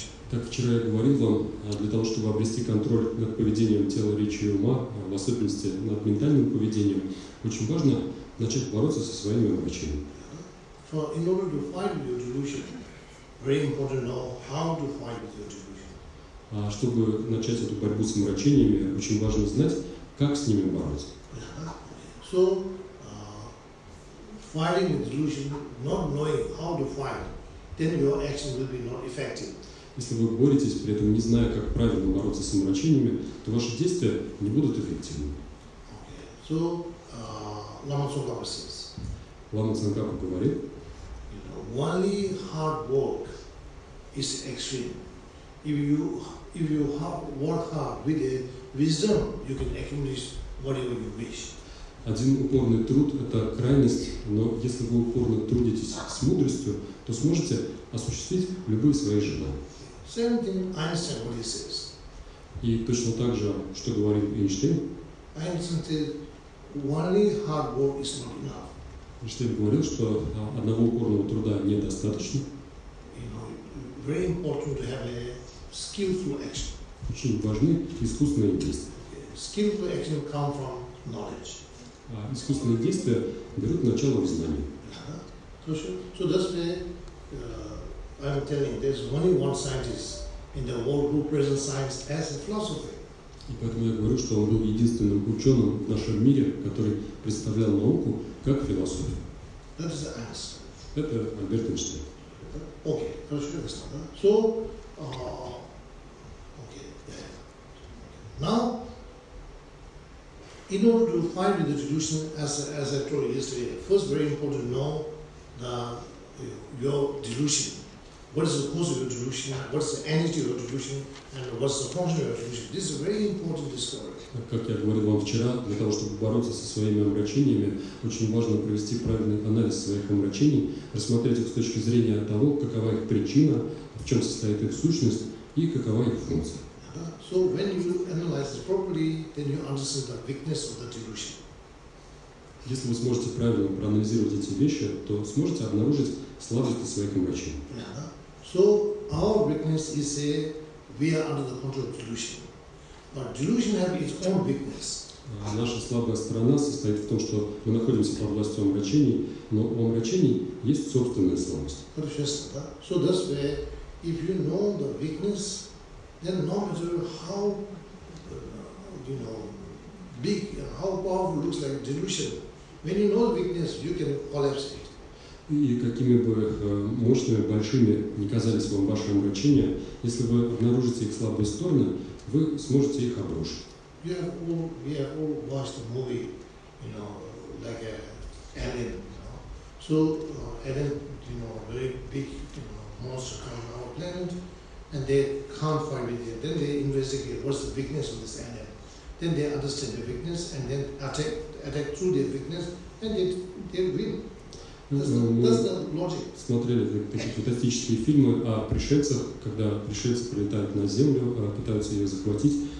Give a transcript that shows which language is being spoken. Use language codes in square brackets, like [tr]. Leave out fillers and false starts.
[ru] Так вчера я говорил вам, для того, чтобы обрести контроль над поведением тела, речи и ума, в особенности над ментальным поведением, очень важно начать бороться со своими мрачениями. Чтобы начать эту борьбу с мрачениями, очень важно знать, как с ними бороться. [en] So, fighting with delusion, not knowing how to fight, then your action will be not effective. [ru] Если вы боретесь, при этом не зная, как правильно бороться с омрачениями, то ваши действия не будут эффективны. [en] Okay. So, [ru] Лама Цонгапа говорит, [en] only hard work is extreme. If you work hard with a wisdom, you can accomplish whatever you wish. [ru] Один упорный труд – это крайность, но если вы упорно трудитесь с мудростью, то сможете осуществить любые свои желания. [en] Same thing Einstein what he says. [ru] И точно так же, что говорит Эйнштейн. [en] Einstein said, only hard work is not enough. [ru] Эйнштейн говорил, что одного упорного труда недостаточно. [en] You know, very important to have a skillful action. [ru] Очень важны искусственные действия. [en] Skillful action come from knowledge. [ru] А искусственные действия берут начало в знании. [en] So that's why I'm telling you, there's only one scientist in the world who presents science as a philosophy. [ru] И поэтому я говорю, что он был единственным ученым в нашем мире, который представлял науку как философию. [en] That is Einstein. [ru] Это Альберт Эйнштейн. [en] Okay, [ru] хорошо, я [en] understand. So, okay, yeah. Now, in order to find the solution, as I told you yesterday, first very important to know the your delusion. What is the cause of your delusion? What is the energy of your delusion? And what is the function of your delusion? This is a very important discovery. [ru] Как я говорил вам вчера, для того, чтобы бороться со своими омрачениями, очень важно провести правильный анализ своих омрачений, рассмотреть их с точки зрения того, какова их причина, в чем состоит их сущность и какова их функция. [en] So when you analyze it properly, then you understand the weakness of the delusion. [ru] Если вы сможете правильно проанализировать эти вещи, то сможете обнаружить слабости своих омрачений. [en] So our weakness is a we are under the control of delusion. But delusion has its own weakness. [ru] Наша слабая сторона состоит в том, что мы находимся под властью омрачений, но у омрачений есть собственная слабость. Хорошо, да? [en] So that's why if you know the weakness, then no matter how you know big and how powerful looks like delusion, when you know the weakness, you can collapse it. [ru] И какими бы мощными, большими ни казались вам ваши омрачения, если вы обнаружите их слабые стороны, вы сможете их обрушить. [en] We have all watched the movie, you know, like Alien, you know. So Alien, you know, very big, you know, monster come on our planet, and they can't find it yet. Then they investigate what's the weakness of this alien. Then they understand the weakness and then attack through their weakness, and they win. [ru] Мы смотрели такие фантастические фильмы о пришельцах, когда пришельцы прилетают на Землю, пытаются ее захватить.